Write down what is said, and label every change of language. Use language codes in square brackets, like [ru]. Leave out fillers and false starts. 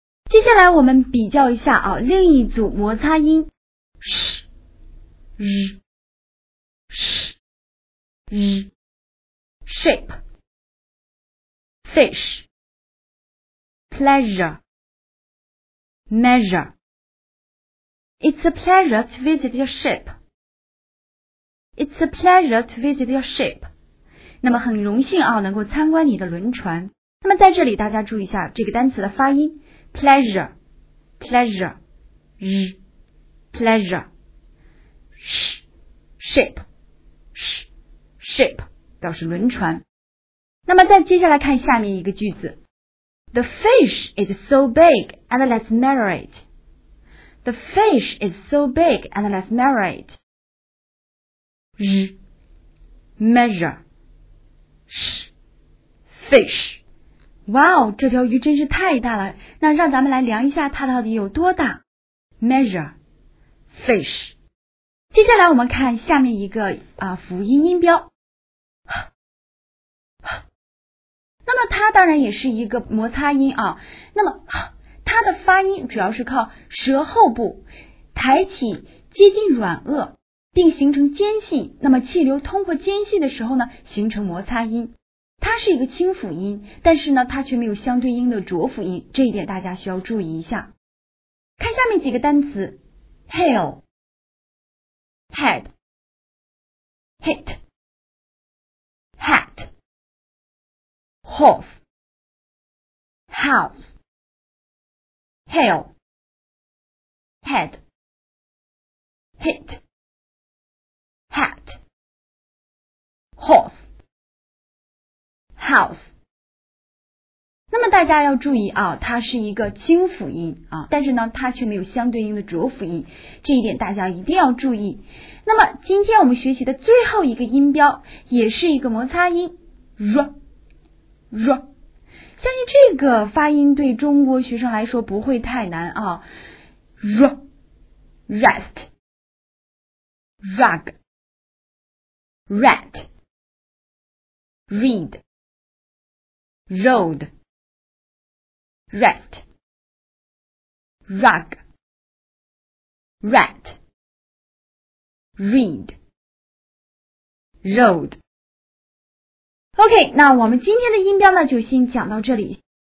[zh] 接下来我们比较一下啊，另一组摩擦音 [en] sh r sh r shape fish pleasure measure. It's a pleasure to visit your ship. It's a pleasure to visit your ship. [zh] 那么很荣幸啊，能够参观你的轮船。那么在这里大家注意一下这个单词的发音。 [en] Pleasure, pleasure, r, pleasure, ship, ship, [zh] 表示轮船。那么再接下来看下面一个句子。 [en] The fish is so big and let's measure it. The fish is so big and let's measure it. R, measure, sh, fish. [zh] 哇哦，这条鱼真是太大了，那让咱们来量一下它到底有多大。 [en] Measure, fish. [zh] 接下来我们看下面一个辅音音标。那么它当然也是一个摩擦音啊。那么它的发音主要是靠舌后部抬起接近软腭并形成间隙，那么气流通过间隙的时候呢形成摩擦音。它是一个清辅音，但是呢它却没有相对应的浊辅音，这一点大家需要注意一下。看下面几个单词 [en] ,hail, head, hit, hat, horse, house, hail, head, hit, hat, horse,house。 [zh] 那么大家要注意啊，它是一个清辅音啊，但是呢它却没有相对应的浊辅音，这一点大家一定要注意。那么今天我们学习的最后一个音标也是一个摩擦音 r 相信这个发音对中国学生来说不会太难啊。 [en] r rest rug rat readroad, rest, rug, rat, read, road. OK, [zh] 那我们今天的音标呢就先讲到这里。